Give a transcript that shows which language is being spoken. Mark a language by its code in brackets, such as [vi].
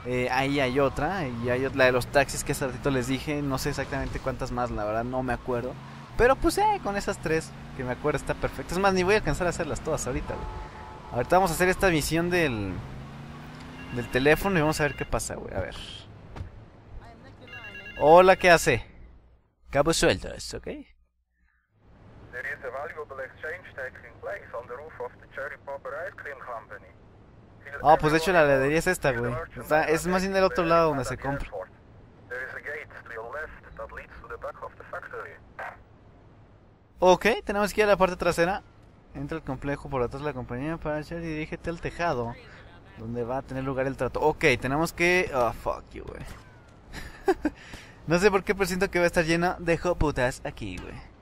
[es] Ahí hay otra, y hay la de los taxis que hace ratito les dije, no sé exactamente cuántas más, la verdad no me acuerdo. Pero pues con esas tres que me acuerdo está perfecto. Es más, ni voy a alcanzar a hacerlas todas ahorita, güey. Ahorita vamos a hacer esta misión del teléfono y vamos a ver qué pasa, güey. A ver. Hola, ¿qué hace? Cabo suelto, ¿es ok? [en] There is a valuable exchange taking place on the roof of the Cherry Popper Ice Cream Company. [es] Ah, pues de hecho la heladería es esta, güey. Es más bien del otro lado donde se compra. [en] There is a gate to the left that leads to the back of the factory. [es] Ok, tenemos que ir a la parte trasera. Entra al complejo por atrás de la compañía para echar y dirígete al tejado donde va a tener lugar el trato. Ok, tenemos que... [en] Oh, fuck you, [es] güey. No sé por qué, pero siento que va a estar llena de joputas aquí, güey.